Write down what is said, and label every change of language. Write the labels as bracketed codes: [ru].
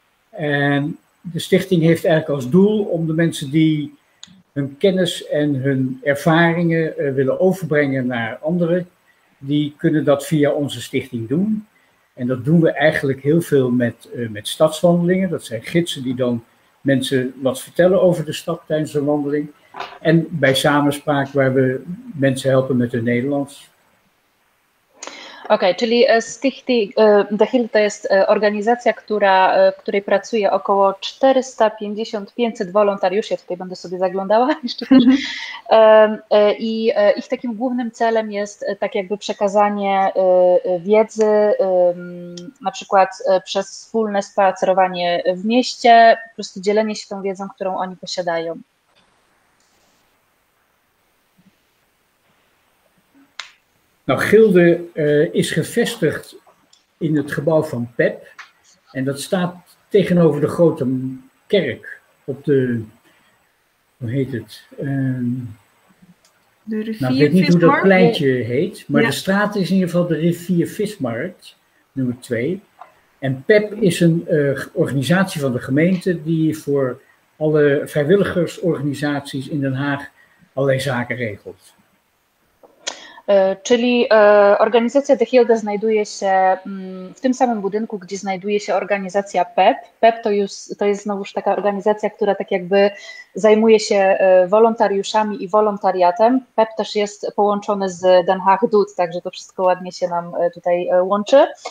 [nl] En de stichting heeft eigenlijk als doel om de mensen die hun kennis en hun ervaringen willen overbrengen naar anderen, die kunnen dat via onze stichting doen. En dat doen we eigenlijk heel veel met stadswandelingen. Dat zijn gidsen die dan mensen wat vertellen over de stad tijdens een wandeling. En bij Samenspraak, waar we mensen helpen met hun Nederlands. [pl] Okej, okay, czyli The Hilde to jest organizacja, w której pracuje około 450-500 wolontariuszy, ja tutaj będę sobie zaglądała jeszcze też. I ich takim głównym celem jest tak jakby przekazanie wiedzy, na przykład przez wspólne spacerowanie w mieście, po prostu dzielenie się tą wiedzą, którą oni posiadają. [nl] Nou, Gilde is gevestigd in het gebouw van PEP. En dat staat tegenover de grote kerk op de, hoe heet het? De rivier Vismarkt. Ik weet niet hoe dat pleintje heet, maar ja. De straat is in ieder geval de rivier Vismarkt, nummer 2. En PEP is een organisatie van de gemeente die voor alle vrijwilligersorganisaties in Den Haag allerlei zaken regelt. [pl] Czyli organizacja The Hilde znajduje się w tym samym budynku, gdzie znajduje się organizacja PEP. PEP to jest znowuż taka organizacja, która tak jakby zajmuje się wolontariuszami i wolontariatem. PEP też jest połączony z Den Haag DUT, także to wszystko ładnie się nam tutaj łączy.